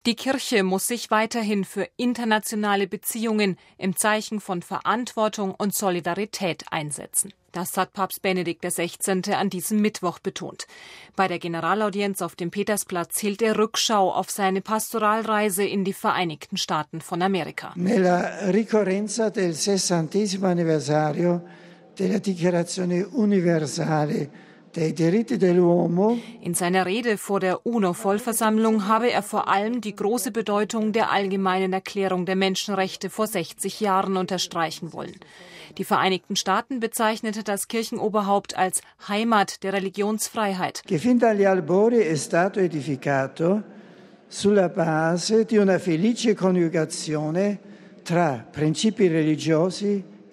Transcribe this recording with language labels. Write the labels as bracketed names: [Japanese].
[German] Die Kirche muss sich weiterhin für internationale Beziehungen im Zeichen von Verantwortung und Solidarität einsetzen. Das hat Papst Benedikt XVI. An diesem Mittwoch betont. Bei der Generalaudienz auf dem Petersplatz hielt er Rückschau auf seine Pastoralreise in die Vereinigten Staaten von Amerika. [Italian] Nella ricorrenza del 60° anniversario della Dichiarazione universale. [German] In seiner Rede vor der UNO-Vollversammlung habe er vor allem die große Bedeutung der Allgemeinen Erklärung der Menschenrechte vor 60 Jahren unterstreichen wollen. Die Vereinigten Staaten bezeichnete das Kirchenoberhaupt als Heimat der Religionsfreiheit. [Italian] Che fin dagli albori è stato edificato sulla base di una felice coniugazione tra principi religiosi.